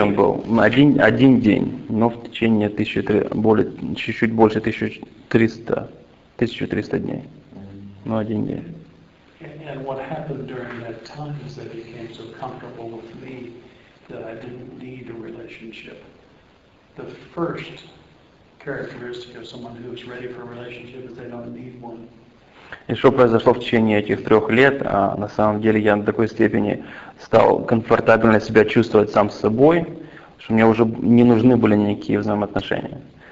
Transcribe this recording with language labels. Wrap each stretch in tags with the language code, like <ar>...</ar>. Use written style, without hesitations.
<ru>он был, один день, но в течение чуть-чуть больше 1300 дней, но один день.</ru> <en>And what happened during that time is that he became so comfortable with me that I didn't need a relationship. The first characteristic of someone who is ready for a relationship is they don't need one.</en> <ru>И что произошло в течение этих 3 лет, а на самом деле я на такой степени стал комфортабельно себя чувствовать сам с собой, что мне уже не нужны были никакие взаимоотношения.</ru>